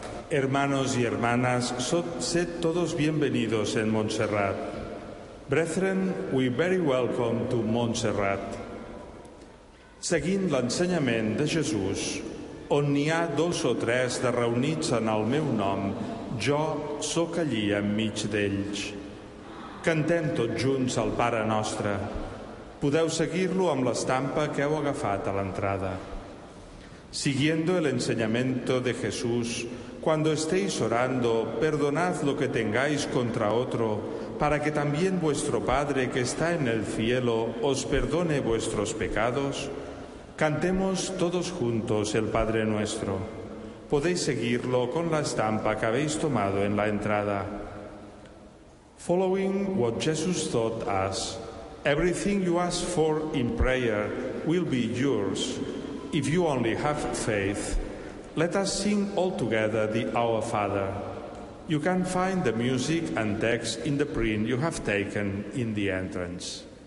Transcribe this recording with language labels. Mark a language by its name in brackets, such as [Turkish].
[Spanish] Hermanos y hermanas, sed todos bienvenidos en Montserrat. [English] Brethren, we very welcome to Montserrat. [Catalan] Seguint l'ensenyament de Jesús, on n'hi ha dos o tres de reunits en el meu nom, jo sóc allí enmig d'ells. Cantem tots junts el Pare Nostre. Podeu seguir-lo amb l'estampa que heu agafat a l'entrada. [Spanish] Siguiendo el enseñamiento de Jesús, cuando estéis orando, perdonad lo que tengáis contra otro, para que también vuestro Padre que está en el cielo os perdone vuestros pecados. Cantemos todos juntos el Padre Nuestro. Podéis seguirlo con la estampa que habéis tomado en la entrada. [English] Following what Jesus taught us, everything you ask for in prayer will be yours if you only have faith. Let us sing all together the Our Father. You can find the music and text in the print you have taken in the entrance.